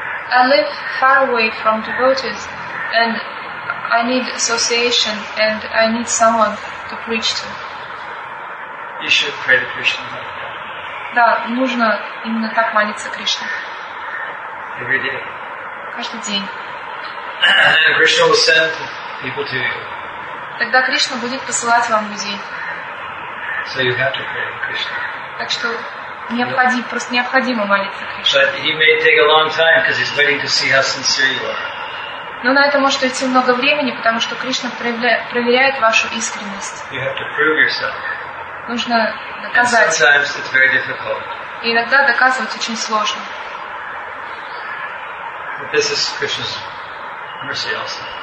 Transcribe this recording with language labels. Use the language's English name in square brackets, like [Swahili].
[English] I live far away from devotees, and I need association, and I need someone to preach to. You should pray to Krishna. [Russian] Да, нужно именно так молиться Кришне. [English] Every day. [Russian] Каждый день. [English] And Krishna will send people to you. [Russian] Тогда Кришна будет посылать вам людей. [English] So you have to pray to Krishna. [Russian] Так что необходимо, yeah. Просто необходимо молиться Кришне. [English] But he may take a long time because he's waiting to see how sincere you are. [Russian] Но на это может уйти много времени, потому что Кришна проверяет вашу искренность. [English] You have to prove yourself. [Russian] Нужно доказать. [English] And sometimes it's very difficult. [Russian] И иногда доказывать очень сложно. [English] But this is Krishna's mercy also.